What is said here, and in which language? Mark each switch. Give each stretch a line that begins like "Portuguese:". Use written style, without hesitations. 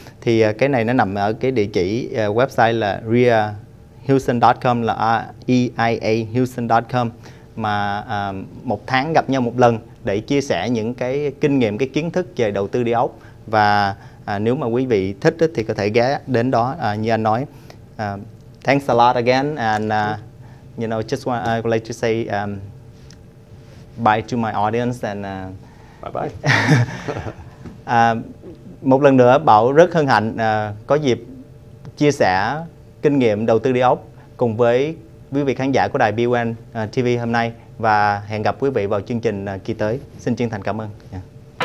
Vietnamese: Thì cái này nó nằm ở cái địa chỉ website là riahouston.com, là riahouston.com, mà một tháng gặp nhau một lần để chia sẻ những cái kinh nghiệm, cái kiến thức về đầu tư đi ốc. Và nếu mà quý vị thích thì có thể ghé đến đó như anh nói.
English: Thanks a lot again, and you know, just want I would like to say bye to my audience, and bye bye.
Vietnamese: Một lần nữa Bảo rất hân hạnh có dịp chia sẻ kinh nghiệm đầu tư đi ốc cùng với quý vị khán giả của đài BUN TV hôm nay, và hẹn gặp quý vị vào chương trình kỳ tới. Xin chân thành cảm ơn. Yeah.